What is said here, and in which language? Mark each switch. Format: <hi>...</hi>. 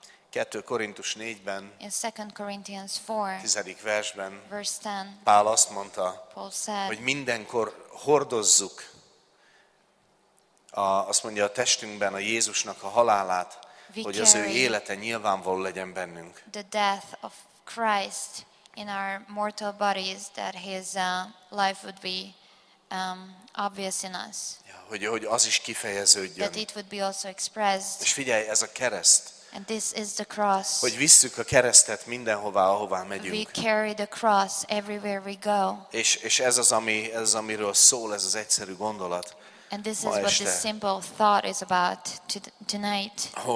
<hu>2. Korintus 4-ben,</hu> <en>in 2 Corinthians 4,</en> <hu>10. versben,</hu> <en>verse 10,</en> <hu>Pál azt mondta,</hu> <en>Paul said,</en> <hu>hogy mindenkor hordozzuk azt mondja a testünkben a Jézusnak a halálát, hogy az ő élete nyilvánvaló legyen bennünk.</hu> <en>The death of Christ in our mortal bodies, that his life would be obvious in us.</en> <hu>Ja, hogy az is kifejeződjön.</hu> <en>That it would be also expressed.</en> <hu>És figyelj, ez a kereszt.</hu> <en>And this is the cross.</en> <hu>Hogy visszük a keresztet mindenhová, ahová megyünk.</hu> <en>We carry the cross everywhere we go.</en> <hu>És ez az, amiről szól ez az egyszerű gondolat.</hu> <en>And this is what this simple thought is about tonight.</en>